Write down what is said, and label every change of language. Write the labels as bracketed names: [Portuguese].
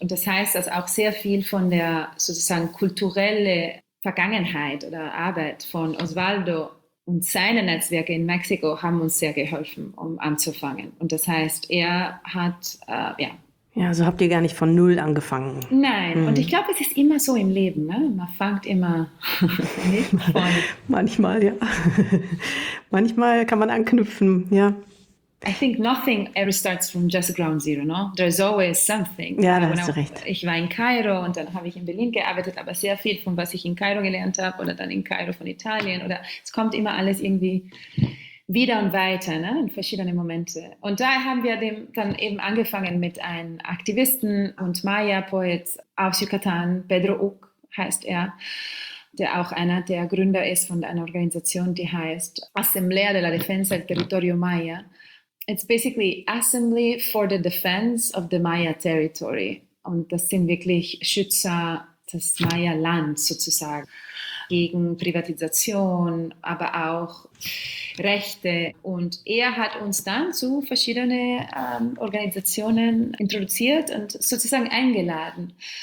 [German] Und das heißt, dass auch sehr viel von der sozusagen kulturellen Vergangenheit oder Arbeit von Osvaldo und seine Netzwerke in Mexiko haben uns sehr geholfen, um anzufangen. Und das heißt, er hat, ja. Ja, so habt ihr gar nicht von null angefangen. Nein, und ich glaube, es ist immer so im Leben, ne? Man fängt immer nicht von. Manchmal, ja. Manchmal kann man anknüpfen, ja. [English] I think nothing ever starts from just ground zero, no? There's always something. [German] Ja, [English] I [German] da [English] don't [German] hast du [English] know. [German] recht. Ich war in Kairo und dann habe ich in Berlin gearbeitet, aber sehr viel von was ich in Kairo gelernt habe oder dann in Kairo von Italien oder es kommt immer alles irgendwie wieder und weiter, ne? In verschiedene Momente. Und da haben wir dann eben angefangen mit einem Aktivisten und Maya-Poet aus Yucatan, Pedro Uc heißt er, der auch einer der Gründer ist von einer Organisation, die heißt Assemblea de la Defensa del Territorio Maya. [English] It's basically Assembly for the Defense of the Maya Territory. [German] Und das sind wirklich Schützer des Maya-Lands sozusagen gegen Privatisation, aber auch Rechte. Und er hat uns dann zu verschiedenen Organisationen introduziert und sozusagen eingeladen.